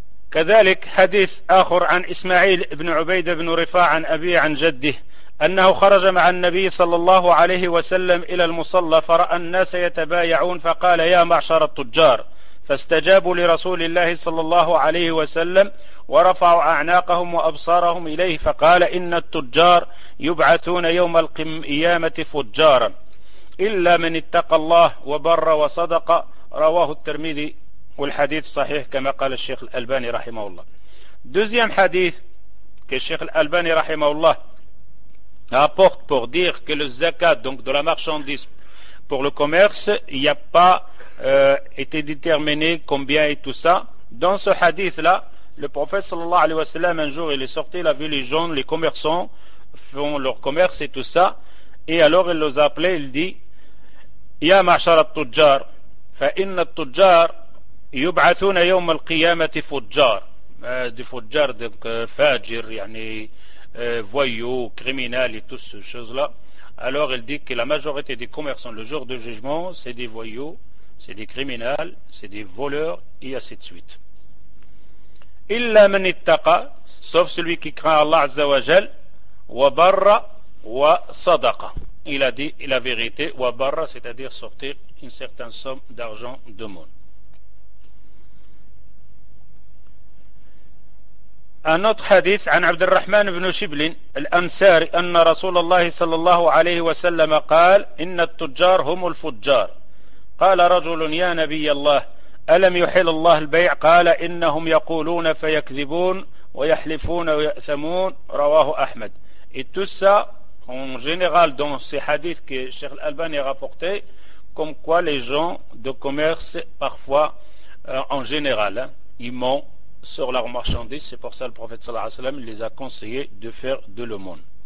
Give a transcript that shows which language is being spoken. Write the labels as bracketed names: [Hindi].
[Arabic] كذلك حديث آخر عن إسماعيل بن عبيد بن رفاع عن أبيه عن جده أنه خرج مع النبي صلى الله عليه وسلم إلى المصلى فرأى الناس يتبايعون فقال يا معشر التجار فاستجابوا لرسول الله صلى الله عليه وسلم ورفعوا أعناقهم وأبصارهم إليه فقال إن التجار يبعثون يوم القيامة فجارا إلا من اتقى الله وبر وصدق. رواه الترمذي. [French] Ou le hadith sahih, comme a dit le Cheikh Al-Albani, rahimahullah. Deuxième hadith que le Cheikh Al-Albani, rahimahullah, apporte pour dire que le zakat, donc de la marchandise pour le commerce, il n'y a pas été déterminé combien et tout ça. Dans ce hadith-là, le prophète, [Arabic] sallallahu alayhi wa sallam, [French] un jour, il est sorti, il a vu les gens, les commerçants, font leur commerce et tout ça. Et alors, il les a appelés, il dit, « [Arabic] Ya ma'char al-tujjar, fa inna al-tujjar, يبعثون يوم القيامة فجار دي فجار دونك فاجر يعني [French] voyou criminel et toutes ces choses là. Alors il dit que la majorité des commerçants le jour du jugement c'est des voyous, c'est des criminels, c'est des voleurs et ainsi de suite. [Arabic] إلا من اتقى, [French] sauf celui qui craint Allah [Arabic] عز وجل, وبر وصدق. [French] Il a dit la vérité, وبر, c'est-à-dire sortir une certaine somme d'argent de monde. Un autre hadith [Arabic] عن عبد الرحمن بن شبل الأمساري أن رسول الله صلى الله عليه وسلم قال إن التجار هم الفجار. قال رجل يا نبي الله ألم يحل الله البيع؟ قال إنهم يقولون فيكذبون ويحلفون ويأثمون. رواه أحمد. [French] Et tout ça en général dans ces hadiths que Cheikh Al-Albani a rapporté, comme quoi les gens de commerce parfois en général ils mentent sur leurs marchandises. C'est pour ça que le prophète [Arabic] sallallahu alayhi wa sallam, [French] il les a conseillés de faire de l'aumône.